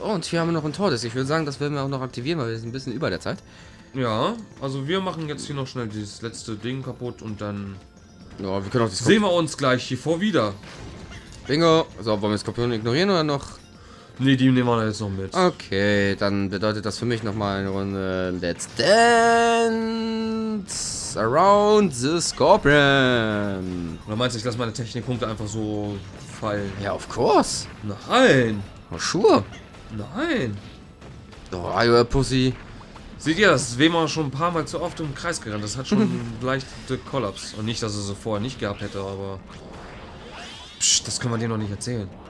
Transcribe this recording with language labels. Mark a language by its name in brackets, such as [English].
[German] Oh, und hier haben wir noch ein Tordes. Ich würde sagen, das werden wir auch noch aktivieren, weil wir sind ein bisschen über der Zeit. Ja, also wir machen jetzt hier noch schnell dieses letzte Ding kaputt und dann. Ja, wir können auch das sehen wir uns gleich hier vor wieder. Bingo. So, wollen wir das Skorpion ignorieren oder noch? Nee, die nehmen wir jetzt noch mit. Okay, dann bedeutet das für mich nochmal eine Runde. [English] Let's dance around the Scorpion. [German] Oder meinst du, ich lasse meine Technikpunkte einfach so fallen? [English] Ja, of course. [German] Nein. [English] Oh, sure. [German] Nein. [English] Oh, are you a pussy? [German] Seht ihr, das ist Wemer schon ein paar Mal zu oft im Kreis gerannt. Das hat schon leicht den Kollaps. Und nicht, dass er so vorher nicht gehabt hätte, aber. Psst, das können wir dir noch nicht erzählen.